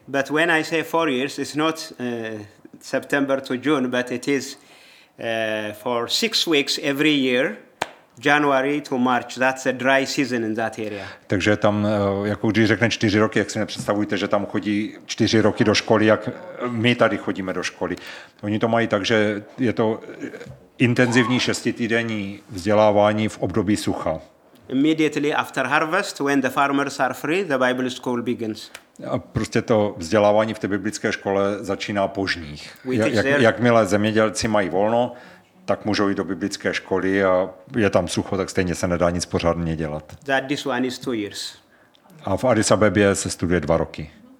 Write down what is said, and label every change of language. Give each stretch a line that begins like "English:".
English: But when I say 4 years, it's not September to June, but it is for 6 weeks every year. January to March, that's a dry season in that area.
Czech: Takže tam, jako když řekne 4 roky, jak si nepředstavujte, že tam chodí 4 roky do školy, jak my tady chodíme do školy. Oni to mají tak, že je to intenzivní 6-týdenní vzdělávání v období sucha.
English: Immediately after harvest, when the farmers are free, the Bible school begins.
Czech: A prostě to vzdělávání v té biblické škole začíná po žních. Jakmile zemědělci mají volno, tak můžou jít do biblické školy a je tam sucho, tak stejně se nedá nic pořádně dělat.
English: That this one is 2 years.
Czech: A v Addis Abebě se studuje 2 roky.